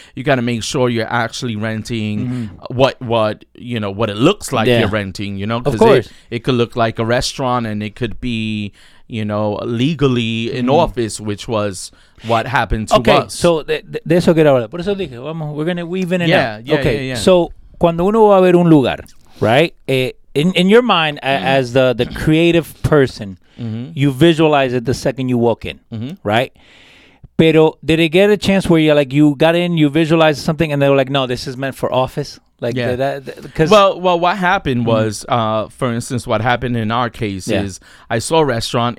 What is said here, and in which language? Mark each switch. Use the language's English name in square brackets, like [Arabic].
[English] You got to make sure you're actually renting what you know, what it looks like you're renting, you know, because it could look like a restaurant, and it could be, you know, legally an office, which was what happened to us. [Spanish] So de eso quiero hablar. Por eso dije, vamos, [English] we're going to weave in and out. Okay. Yeah, yeah. [Spanish] So cuando uno va a ver un lugar, [English] right? In your mind, as the creative person, you visualize it the second you walk in, right? [Spanish] Pero [English] did it get a chance where you're like, you got in, you visualized something, and they were like, no, this is meant for office? Like, Well, what happened was, for instance, what happened in our case is I saw a restaurant.